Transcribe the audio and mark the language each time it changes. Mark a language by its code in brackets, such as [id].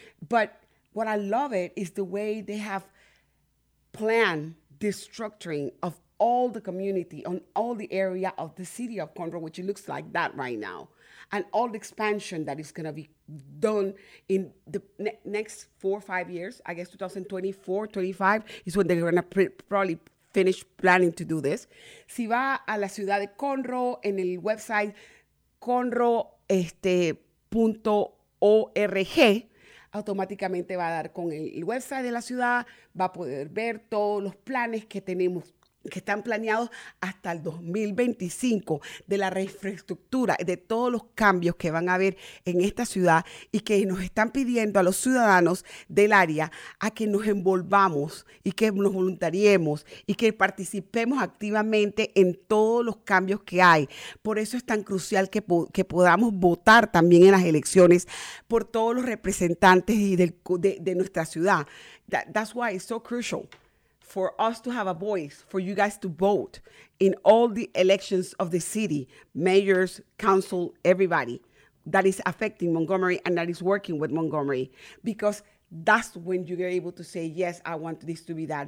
[en] But what I love it is the way they have planned the structuring of all the community on all the area of the City of Conroe, which it looks like that right now, and all the expansion that is going to be done in the next 4 or 5 years, I guess 2024, 25 is when they're going to probably finish planning to do this. [es] Si va a la ciudad de Conroe, en el website conroe.org, automáticamente va a dar con el website de la ciudad, va a poder ver todos los planes que tenemos, que están planeados hasta el 2025, de la infraestructura, de todos los cambios que van a haber en esta ciudad, y que nos están pidiendo a los ciudadanos del área a que nos envolvamos y que nos voluntariemos y que participemos activamente en todos los cambios que hay. Por eso es tan crucial que podamos votar también en las elecciones por todos los representantes de nuestra ciudad. [en] That's why it's so crucial for us to have a voice, for you guys to vote in all the elections of the city, mayors, council, everybody that is affecting Montgomery and that is working with Montgomery, because that's when you're able to say, yes, I want this to be that.